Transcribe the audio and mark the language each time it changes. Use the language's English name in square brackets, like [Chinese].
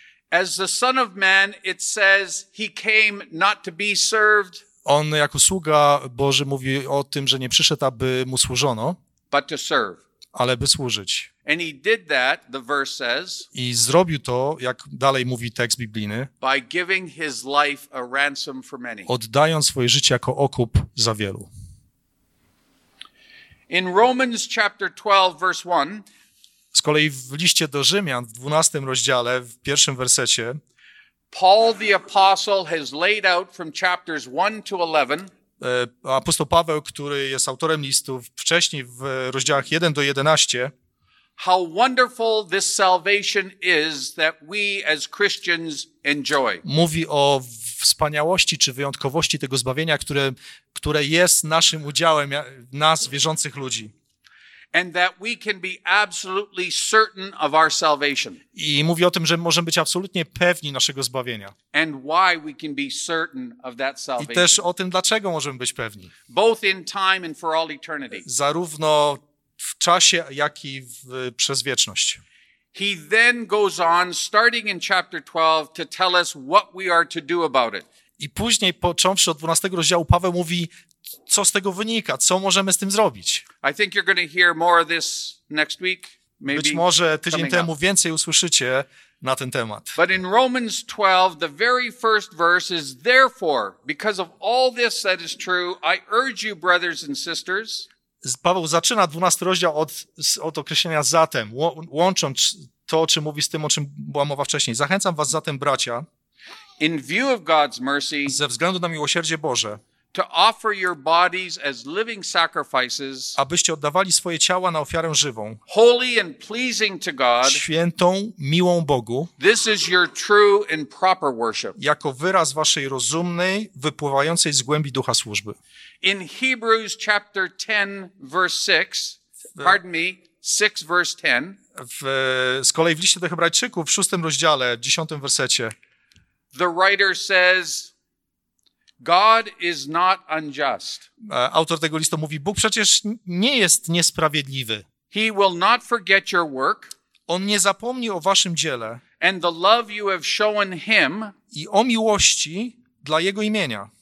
[English] As the Son of Man, it says he came not to be served. [Polish] On jako sługa Boży mówi o tym, że nie przyszedł, aby mu służono, [English] but to serve. [Polish] Ale by służyć. [English] And he did that, the verse says, [Polish] i zrobił to, jak dalej mówi tekst biblijny, [English] by giving his life a ransom for many. [Polish] Oddając swoje życie jako okup za wielu. [English] In Romans chapter 12, verse 1, [Polish] z kolei w liście do Rzymian, w 12 rozdziale, w pierwszym wersecie, [English] Paul the apostle has laid out from chapters 1 to 11. [Polish] Apostoł Paweł, który jest autorem listów, wcześniej w rozdziałach 1 do 11, [English] How wonderful this salvation is that we as Christians enjoy. [Polish] Mówi o wspaniałości czy wyjątkowości tego zbawienia, które jest naszym udziałem, nas, wierzących ludzi. [English] And that we can be absolutely certain of our salvation. [Polish] I mówi o tym, że możemy być absolutnie pewni naszego zbawienia. [English] And why we can be certain of that salvation. [Polish] I też o tym, dlaczego możemy być pewni. [English] Both in time and for all eternity. [Polish] Zarówno w czasie, jak i przez wieczność. [English] He then goes on, starting in chapter 12, to tell us what we are to do about it. [Polish] I później, począwszy od 12 rozdziału, Paweł mówi, co z tego wynika, co możemy z tym zrobić. [English] I think you're going to hear more of this next week, maybe. [Polish] Być może tydzień temu więcej usłyszycie na ten temat. [English] But in Romans 12, the very first verse is, therefore, because of all this that is true, I urge you, brothers and sisters. [Polish] Paweł zaczyna 12 rozdział od określenia zatem, łącząc to, o czym mówi, z tym, o czym była mowa wcześniej. Zachęcam was zatem, bracia, [English] in view of God's mercy, [Polish] ze względu na miłosierdzie Boże, [English] to offer your bodies as living sacrifices, [Polish] abyście oddawali swoje ciała na ofiarę żywą, [English] holy and pleasing to God, [Polish] świętą, miłą Bogu, [English] this is your true and proper worship, [Polish] jako wyraz waszej rozumnej, wypływającej z głębi ducha służby. [English] In Hebrews chapter 10, verse 6, pardon me, 6 verse 10, [Polish] z kolei w liście do Hebrajczyków, w 6 rozdziale, 10 wersecie, [English] the writer says, God is not unjust. [Polish] Autor tego listu mówi, Bóg przecież nie jest niesprawiedliwy. [English] He will not forget your work. [Polish] On nie zapomni o waszym dziele. [English] And the love you have shown him. [Polish] I o miłości dla jego imienia.